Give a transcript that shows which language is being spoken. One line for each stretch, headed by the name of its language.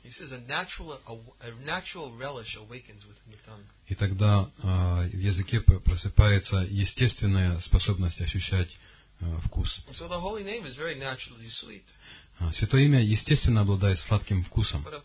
English: He says a natural relish awakens within the tongue.
Russian: И тогда в языке просыпается естественная способность ощущать вкус.
English: And so the holy name is very naturally sweet.
Russian: Святое имя, естественно, обладает сладким вкусом.